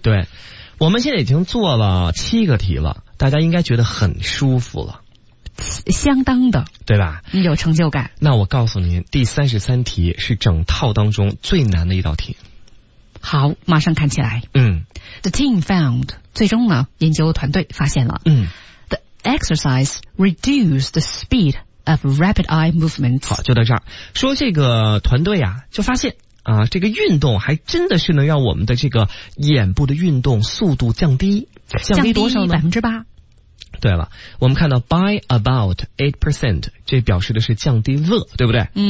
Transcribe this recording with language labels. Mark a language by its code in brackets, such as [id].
[zh] 对，我们现在已经做了七个题了，大家应该觉得很舒服了，相当的，对吧？你有成就感。那我告诉您，第33题是整套当中最难的一道题。好，马上看起来。 [en] The team found, [zh] 最终呢，研究团队发现了。 [en] The exercise reduced the speed of rapid eye movements. [zh] 好，就到这儿。说这个团队啊，就发现啊，这个运动还真的是能让我们的这个眼部的运动速度降低。降低多少呢？ 8%。对了，我们看到 [en] by about 8%, [zh] 这表示的是降低了，对不对？